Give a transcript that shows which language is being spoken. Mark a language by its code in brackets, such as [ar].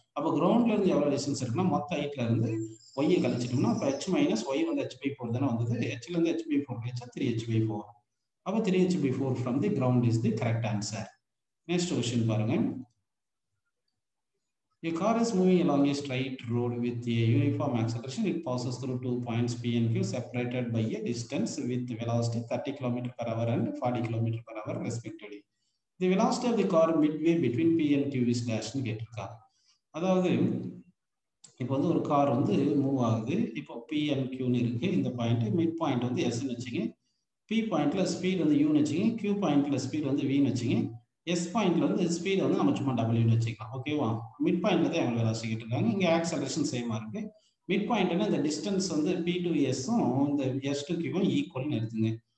[ta] அப்போ கிரவுண்ட்லேருந்து எவ்வளோ டிஸ்டன்ஸ் இருக்குன்னா மொத்த ஹைட்லேருந்து ஒய்யை கழிச்சிட்டோம்னா அப்போ ஹெச் மைனஸ் ஒய் வந்து ஹெச் பை ஃபோர் தானே வந்தது, ஹெச்லேருந்து ஹெச் பை ஃபோர் கழிச்சா த்ரீ ஹெச் பை ஃபோர். அப்போ [en] Three H by four from the ground is the correct answer. Next question [ta] பாருங்கள், [en] A car is moving along a straight road with a uniform acceleration. It passes through two points P and Q separated by a distance with velocity 30 km per hour and 40 km per hour respectively. The velocity of the car midway between P and Q is dash. [ta] அதாவது இப்போ வந்து ஒரு car வந்து move ஆகுது, இப்போ P and Q னு இருக்கு, இந்த பாயிண்ட் மிட் பாயிண்ட் வந்து S னு வச்சுங்க, P பாயிண்ட்ல ஸ்பீட் வந்து U னு வச்சுங்க, Q பாயிண்ட்ல ஸ்பீட் வந்து V னு வச்சுங்க, எஸ் பாயிண்ட்ல வந்து ஸ்பீட் வந்து நம்ம சும்மா டபுள்யூன்னு வச்சுக்கலாம் ஓகேவா. மிட் பாயிண்ட்ல தான் எவ்வளோ வேலை செய்யிட்டிருக்காங்க, இங்கே ஆக்சலரேஷன் சேமாக இருக்கு. மிட் பாயிண்ட்னா இந்த டிஸ்டன்ஸ் வந்து பி டு எஸ்ஸும் இந்த எஸ் டு கியூவும் ஈக்குவல்னு எடுத்துங்க.